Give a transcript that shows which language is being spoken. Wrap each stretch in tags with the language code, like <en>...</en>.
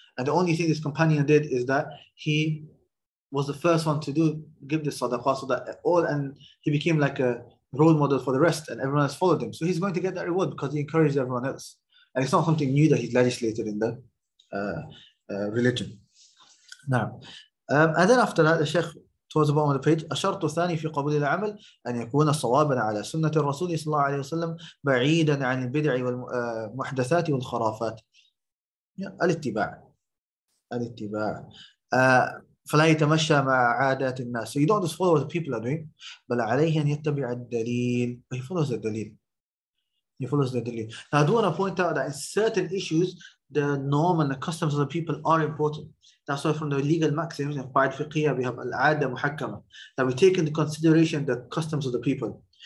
<en>And the only thing his companion did is that he was the first one to give the sadaqa, so that all, and he became like a role model for the rest, and everyone has followed him. So he's going to get that reward because he encouraged everyone else. And it's not something new that he's legislated in the religion. Now, and then after that, the Sheikh towards the bottom of the page,</en> <ar>الشرط الثاني في قبول العمل أن يكون صوابا على سنة الرسول صلى الله عليه وسلم بعيدا عن البدع والمحدثات والخرافات. الاتباع. الاتباع. فلا يتمشى مع عادات الناس.</ar> <en>So you don't just follow what the people are doing,</en> <ar>بل عليه أن يتبع الدليل.</ar> <en>He follows the دليل. He follows the دليل. Now, I do want to point out that in certain issues, the norm and the customs of the people are important. That's why from the legal maxims in Qaid Fiqhiyya, we have Al-Ada Muhakkama, that we take into consideration the customs of the people.</en>